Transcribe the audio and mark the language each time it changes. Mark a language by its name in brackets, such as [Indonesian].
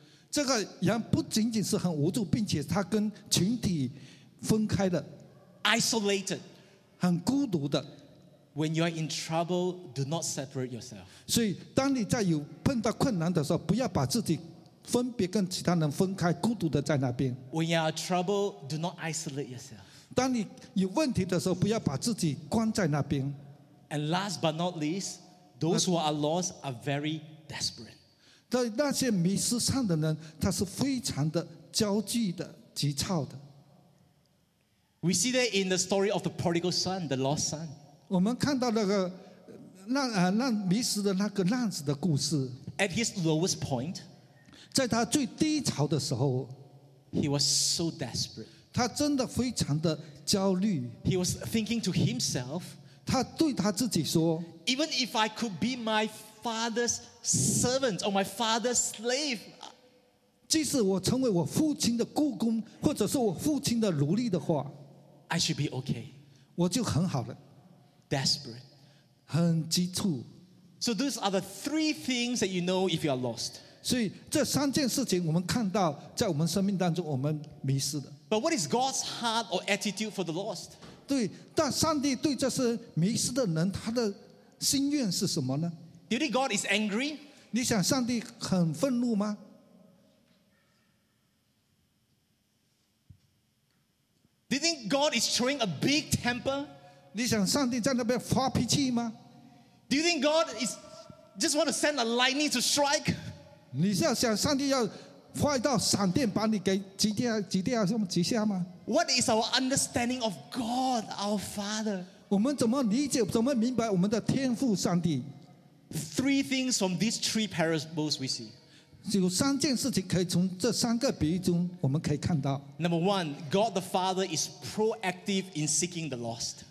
[Chinese] 这个羊不仅仅是很无助，并且它跟群体分开的。 [English] Isolated. [Chinese] 很孤独的。 [English] When you are in trouble, do not separate yourself. [Chinese] 所以当你在有碰到困难的时候，不要把自己分别跟其他人分开，孤独的在那边。 [English] When you are in trouble, do not isolate yourself. [Chinese] 当你有问题的时候，不要把自己关在那边。 [English] And last but not least, those who are lost are very desperate. [Chinese] 对那些迷失上的人，他是非常的焦急的、急躁的。 [English] We see that in the story of the prodigal son, the lost son. [Chinese] 我们看到那个让迷失的那个浪子的故事。 [English] At his lowest point. [Chinese] 在他最低潮的时候 [English] ，He was so desperate. [Chinese] 他真的非常的焦虑。 [English] He was thinking to himself. [Chinese] 他对他自己说 [English] ，Even if I could be my father's servant or my father's slave, [Chinese] 即使我成为我父亲的雇工或者是我父亲的奴隶的话 [English] ，I should be okay. [Chinese] 我就很好了。 [English] Desperate, [Chinese] 很急促。 [English] So those are the three things that you know if you are lost. [Chinese] 所以这三件事情我们看到在我们生命当中我们迷失的。 [English] But what is God's heart or attitude for the lost? [Chinese] 对，但上帝对这些迷失的人他的心愿是什么呢？ [English] Do you think God is angry? [Chinese] 你想上帝很愤怒吗？ [English] Do you think God is showing a big temper? [Chinese] 你想上帝在那边发脾气吗？ [English] Do you think God is just want to send a lightning to strike? [Chinese] 你是要想上帝要发一道闪电把你给击掉击掉什么击下吗 [English] ？What is our understanding of God, our Father？ [Chinese] 我们怎么理解、怎么明白我们的天父上帝 [English] ？Three things from these three parables we see. [Chinese] 有三件事情可以从这三个比喻中我们可以看到。 [English] Number one, God the Father is proactive in seeking the lost.